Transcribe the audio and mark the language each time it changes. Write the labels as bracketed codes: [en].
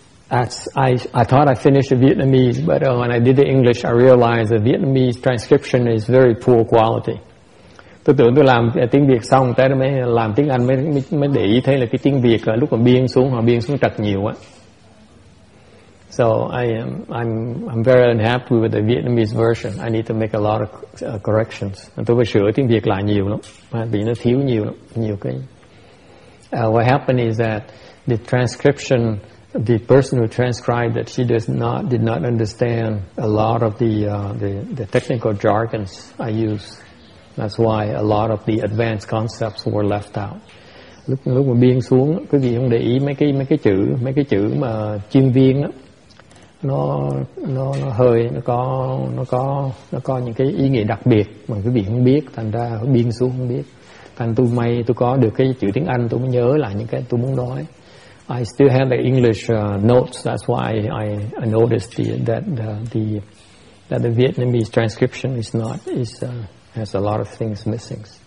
[en] I thought I finished the Vietnamese, but when I did the English, I realized the Vietnamese transcription is very poor quality. [vi] Tôi tưởng tôi làm tiếng Việt xong, tới đó mới làm tiếng Anh mới để ý thấy là cái tiếng Việt lúc mà biên xuống họ biên xuống trật nhiều á. [en] So I'm very unhappy with the Vietnamese version. I need to make a lot of corrections. [vi] Tôi phải sửa tiếng Việt lại nhiều lắm, vì nó thiếu nhiều lắm, nhiều cái. [en] What happened is that the transcription, the person who transcribed that, she did not understand a lot of the technical jargons I use. That's why a lot of the advanced concepts were left out. [vi] Lúc mà biên xuống, quý vị không để ý mấy cái chữ mà chuyên viên á, nó có những cái ý nghĩa đặc biệt mà quý vị không biết, thành ra biên xuống không biết. Thành tôi may tôi có được cái chữ tiếng Anh, tôi mới nhớ lại những cái tôi muốn nói. [en] I still have the English notes. That's why I noticed that the Vietnamese transcription has a lot of things missing.